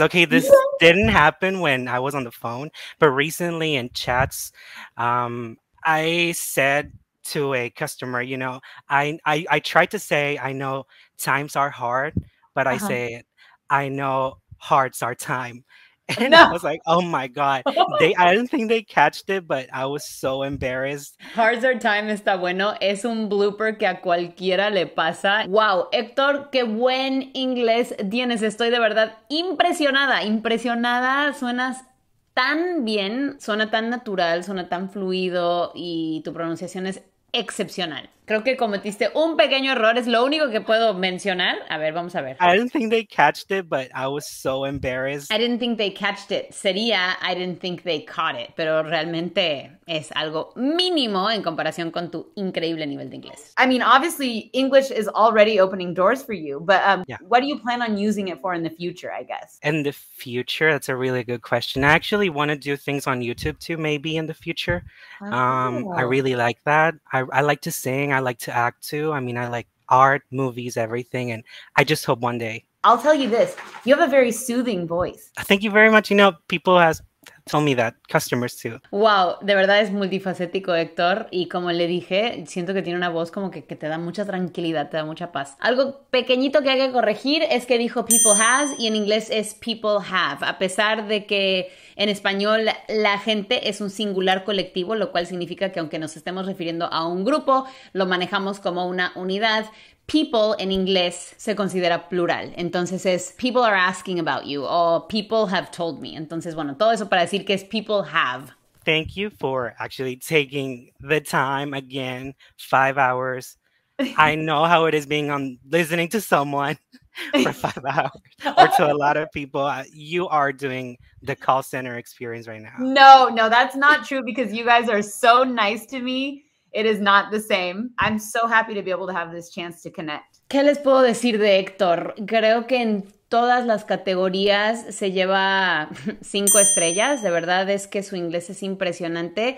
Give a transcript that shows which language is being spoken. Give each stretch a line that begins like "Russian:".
English: Okay, this didn't happen when I was on the phone, but recently in chats, I said to a customer, you know, I tried to say, I know times are hard, but I say, I know hearts are time. And I was like, oh my God, I didn't think they catched it, but I was so embarrassed. Hearts are time
Spanish: está bueno. Es un blooper que a cualquiera le pasa. Wow, Héctor, qué buen inglés tienes. Estoy de verdad impresionada. Suenas tan bien, suena tan natural, suena tan fluido y tu pronunciación es excepcional. Creo que cometiste un pequeño error, es lo único que puedo mencionar. A ver, vamos a ver.
English: I didn't think they catched it, but I was so embarrassed. I didn't think they catched it.
Spanish: Sería,
English: I didn't think they caught it.
Spanish: Pero realmente es algo mínimo en comparación con tu increíble nivel de inglés.
English: I mean, obviously, English is already opening doors for you, but what do you plan on using it for in the future, I guess? In the future? That's a really good question. I actually want to do things on YouTube too, maybe in the future. I really like that. I like to sing. I like to act too. I mean, I like art, movies, everything. And I just hope one day. I'll tell you this. You have a very soothing voice. Thank you very much. You know, people have told me that. Customers too.
Spanish: Wow. De verdad es multifacético, Héctor. Y como le dije, siento que tiene una voz como que te da mucha tranquilidad, te da mucha paz. Algo pequeñito que hay que corregir es que dijo people has y en inglés es people have. A pesar de que en español la gente es un singular colectivo, lo cual significa que aunque nos estemos refiriendo a un grupo, lo manejamos como una unidad. People en inglés se considera plural. Entonces es
English: people are asking about you
Spanish: o
English: people have told me.
Spanish: Entonces, bueno, todo eso para decir que es people have.
English: Thank you for actually taking the time again, 5 hours. I know how it is being on listening to someone for 5 hours or to a lot of people. You are doing the call center experience right now. No, that's not true because you guys are so nice to me. It is not the same. I'm so happy to be able to have this chance to connect.
Spanish: ¿Qué les puedo decir de Héctor? Creo que en todas las categorías se lleva 5 estrellas. De verdad es que su inglés es impresionante.